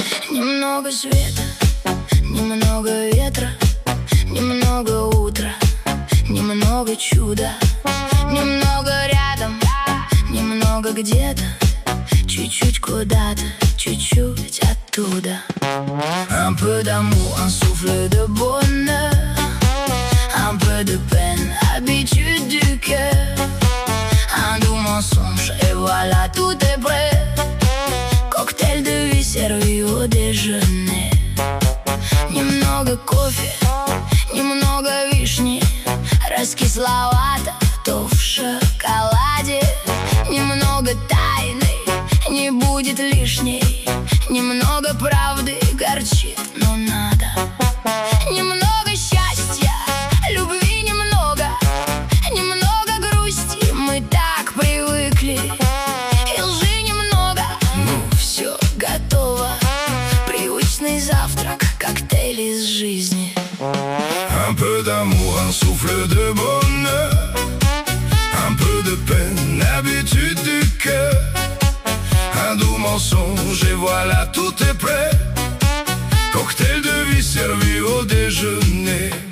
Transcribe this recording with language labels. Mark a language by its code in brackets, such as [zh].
[ru] немного света, немного ветра, немного утра, немного чуда, немного рядом, немного где-то, чуть-чуть куда-то, чуть-чуть оттуда. [fr] Un peu d'amour, un souffle de bonheur, un peu de peine, habitude du cœur, un doux mensonge, et voilà, tout est prêt. Коктейль de vie, servi au déjeuner. [ru] Немного кофе, немного вишни, раскисловато, то в шоколаде. Немного тайны, не будет лишней. Немного правды, горчит, но надо. Немного счастья, любви немного. Немного грусти, мы так привыкли. И лжи немного, ну все готово. Привычный завтрак, коктейль из жизни. [fr] Un peu d'amour, un souffle de bonheur. Un peu de peine, l'habitude du cœur. Un doux mensonge et voilà, tout est prêt. Cocktail de vie servi au déjeuner.